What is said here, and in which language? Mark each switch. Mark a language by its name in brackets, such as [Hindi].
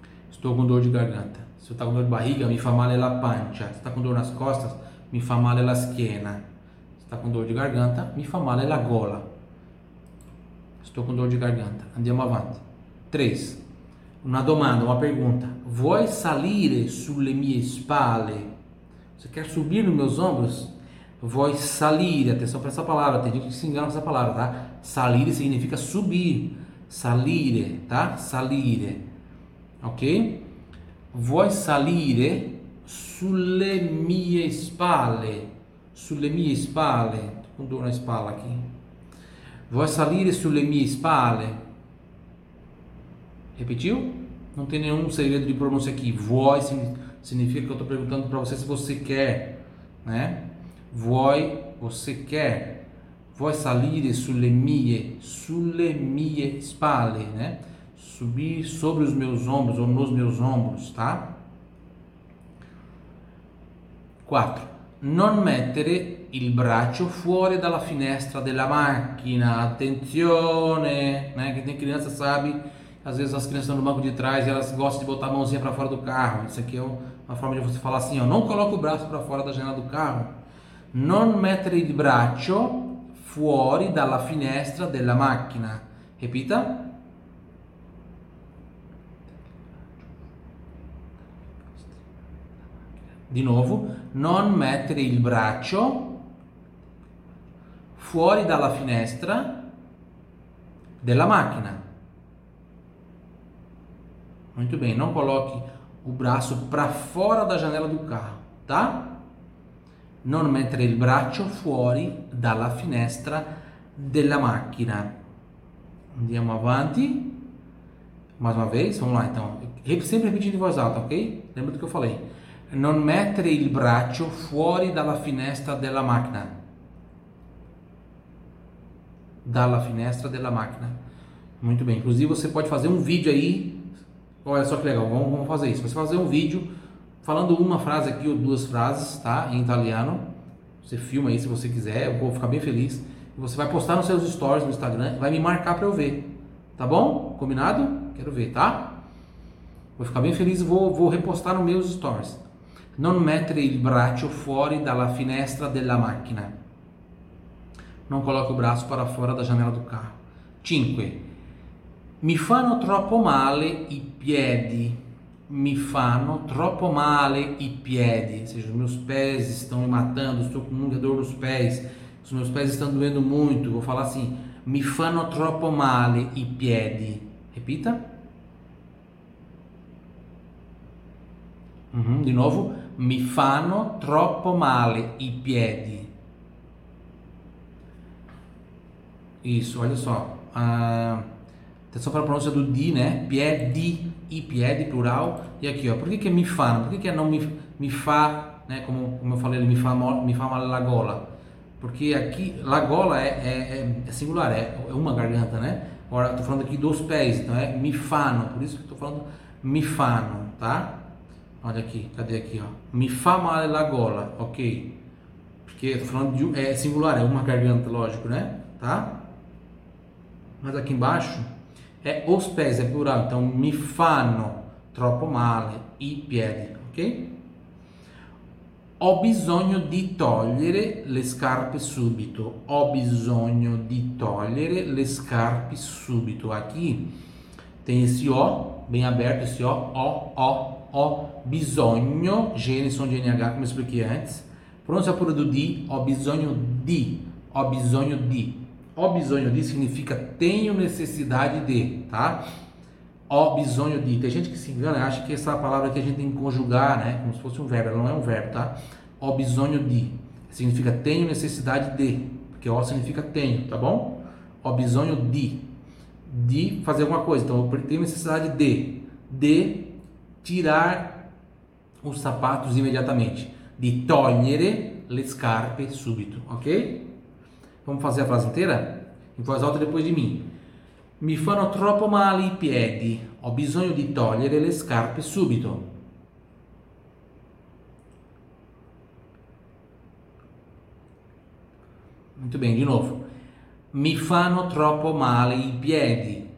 [Portuguese] Estou com dor de garganta. Se você tá com dor de barriga, [Italian] mi fa male la pancia. [Portuguese] Se tá com dor nas costas, [Italian] mi fa male la schiena. [Portuguese] Se tá com dor de garganta, [Italian] mi fa male la gola. [Portuguese] Estou com dor de garganta. [Italian] Andiamo avanti. [Portuguese] 3. [Italian] Una domanda, [Portuguese] uma pergunta. [Italian] Vuoi salire sulle mie spalle? [Portuguese] Você quer subir nos meus ombros? [Italian] Vuoi salire. [Portuguese] Atenção para essa palavra. Tem gente que se engana com essa palavra, tá? Salire significa subir. Salire, tá? Salire. Ok? [Italian] Vuoi salire sulle mie spalle. Sulle mie spalle. [Portuguese] Tô com dor na espalha aqui. [Italian] Vuoi salire sulle mie spalle. [Portuguese] Repetiu? Não tem nenhum segredo de pronúncia aqui. [Italian] Vuoi [Portuguese] significa que eu estou perguntando para você se você quer, né? [Italian] Vuoi, [Portuguese] você quer. [Italian] Vuoi salire sulle mie spalle, né? [Portuguese] Subir sobre os meus ombros ou nos meus ombros, tá? 4. [Italian] Non mettere il braccio fuori dalla finestra della macchina. Attenzione, [Portuguese] né? Quem tem criança sabe, às vezes as crianças estão no banco de trás e elas gostam de botar a mãozinha para fora do carro. Isso aqui é uma forma de você falar assim, ó, não coloca o braço para fora da janela do carro. [Italian] Non mettere il braccio fuori dalla finestra della macchina. [Portuguese] Repita. [Italian] Di nuovo. Non mettere il braccio fuori dalla finestra della macchina. [Portuguese] Muito bem, não coloque o braço para fora da janela do carro, tá? [Italian] Non mettere il braccio fuori dalla finestra della macchina. Andiamo avanti. [Portuguese] Mais uma vez, vamos lá então. Sempre repetindo em voz alta, ok? Lembra do que eu falei. [Italian] Non mettere il braccio fuori dalla finestra della macchina. Dalla finestra della macchina. [Portuguese] Muito bem, inclusive você pode fazer um vídeo aí. Olha só que legal, vamos fazer isso. Você fazer um vídeo falando uma frase aqui ou duas frases, tá? Em italiano. Você filma aí se você quiser, eu vou ficar bem feliz. Você vai postar nos seus stories no Instagram, vai me marcar para eu ver. Tá bom? Combinado? Quero ver, tá? Vou ficar bem feliz e vou repostar nos meus stories. [Italian] Non mettere il braccio fuori dalla finestra della macchina. [Portuguese] Não coloque o braço para fora da janela do carro. 5. [Italian] Mi fanno troppo male i piedi. Mi fanno troppo male i piedi. [Portuguese] Ou seja, os meus pés estão me matando. Estou com muita dor nos pés. Os meus pés estão doendo muito. Vou falar assim. [Italian] mi fanno troppo male i piedi. [Portuguese] Repita. [Italian] Di nuovo, mi fanno troppo male i piedi. [Portuguese] Isso, olha só. Atenção para a pronúncia do di, né? Piedi, i piedi, plural. E aqui, ó. Por que, que mi fanno? Por que, que não mi fa, né? Como eu falei, [Italian] mi fa male la gola. [Portuguese] Porque aqui, la gola é singular, é uma garganta, né? Agora, estou falando aqui dos pés, então é [Italian] mi fanno. [Portuguese] Por isso que estou falando mi fanno, tá? Olha aqui, cadê aqui, ó? [Italian] Mi fa male la gola, [Portuguese] ok? Porque estou falando de. É singular, é uma garganta, lógico, né? Tá? Mas aqui embaixo é os pés, é plural, então [Italian] mi fanno troppo male i piedi, [Portuguese] ok? [Italian] Ho bisogno di togliere le scarpe subito. Ho bisogno di togliere le scarpe subito. [Portuguese] Aqui tem esse O bem aberto, esse O, O, O, O, bisogno, gênero de NH, como eu expliquei antes. Pronuncia pura do di, [Italian] ho bisogno di, ho bisogno di. Ho bisogno di [Portuguese] significa tenho necessidade de, tá? Ho bisogno di. Tem gente que se engana, acha que essa palavra aqui a gente tem que conjugar, né? Como se fosse um verbo, ela não é um verbo, tá? [Italian] Ho bisogno di [Portuguese] significa tenho necessidade de, porque ho significa tenho, tá bom? Ho bisogno de fazer alguma coisa, então eu tenho necessidade de tirar os sapatos imediatamente. [Italian] Di togliere le scarpe subito, [Portuguese] ok? Vamos fazer a frase inteira? Em voz alta depois de mim. [Italian] Mi fanno troppo male i piedi. Ho bisogno di togliere le scarpe subito. [Portuguese] Muito bem, [Italian] di nuovo. Mi fanno troppo male i piedi.